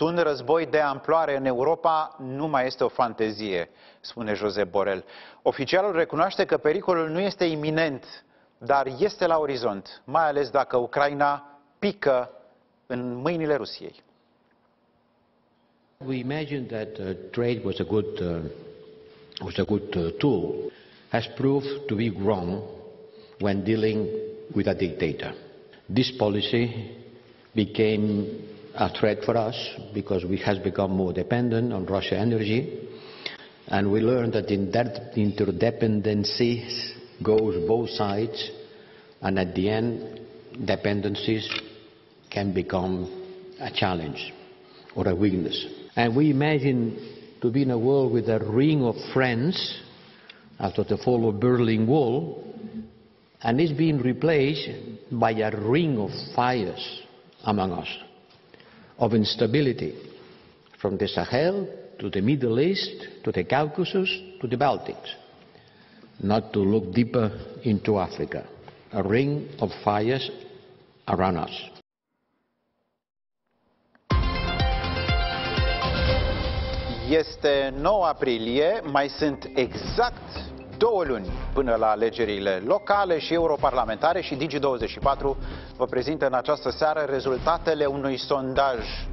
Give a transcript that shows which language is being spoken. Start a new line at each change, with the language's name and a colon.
Romanian: Un război de amploare în Europa nu mai este o fantezie, spune Josep Borrell. Oficialul recunoaște că pericolul nu este iminent, dar este la orizont, mai ales dacă Ucraina pică în mâinile Rusiei.
English: We imagine that trade was a good tool has proved to be wrong when dealing with a dictator. This policy became a threat for us because we have become more dependent on Russian energy, and we learned that in that interdependency goes both sides, and at the end dependencies can become a challenge or a weakness. And we imagine to be in a world with a ring of friends after the fall of Berlin Wall, and it's being replaced by a ring of fires among us, of instability, from the Sahel to the Middle East to the Caucasus to the Baltics, not to look deeper into Africa, a ring of fires around us.
Romanian: Este 9 aprilie, mai sunt exact 2 luni până la alegerile locale și europarlamentare și Digi24 vă prezintă în această seară rezultatele unui sondaj